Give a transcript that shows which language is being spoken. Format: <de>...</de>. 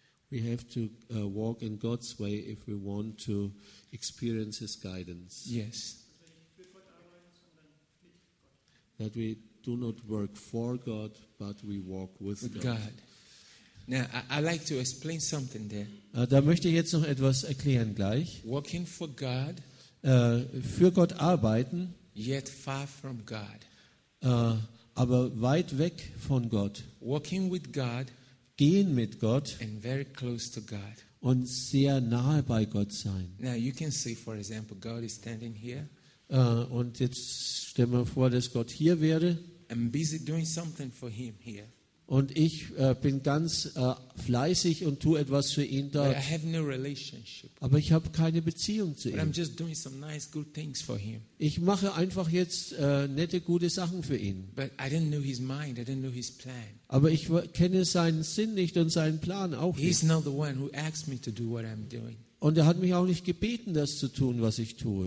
<en>We have to walk in God's way if we want to experience His guidance. Yes. That we do not work for God, but we walk with God. God. Now, I like to explain something there.</en> <de>Da möchte ich jetzt noch etwas erklären gleich.</de> <en>Working for God,</en> <de>für Gott arbeiten,</de> <en>yet far from God.</en> <de>Aber weit weg von Gott.</de> <en>Working with God,</en> <de>gehen mit Gott,</de> <en>and very close to God.</en> <de>Und sehr nahe bei Gott sein.</de> <en>Now you can see, for example, God is standing here.</en> <de>Und jetzt stell mir vor, dass Gott hier wäre.</de> <en>I'm busy doing something for Him here.</en> <de>Und ich bin ganz fleißig und tue etwas für ihn dort.</de> <en>I have no relationship.</en> <de>Aber ich habe keine Beziehung zu ihm.</de> <en>But I'm just doing some nice, good things for him.</en> <de>Ich mache einfach jetzt nette, gute Sachen für ihn.</de> <en>But I didn't know his mind. I didn't know his plan.</en> <de>Aber ich kenne seinen Sinn nicht und seinen Plan auch nicht.</de> <en>He's not the one who asked me to do what I'm doing.</en> <de>Und er hat mich auch nicht gebeten, das zu tun, was ich tue.</de>